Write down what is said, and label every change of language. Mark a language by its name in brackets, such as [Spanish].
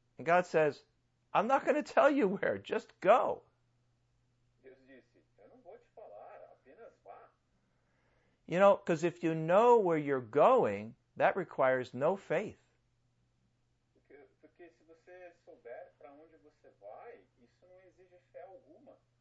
[English] And God says, I'm not going to tell you where, just go. [Portuguese] Deus disse, eu não vou te falar, apenas vá. [English] You know, because if you know where you're going, that requires no faith. [Portuguese] Porque se você souber para onde você vai, isso não exige fé alguma.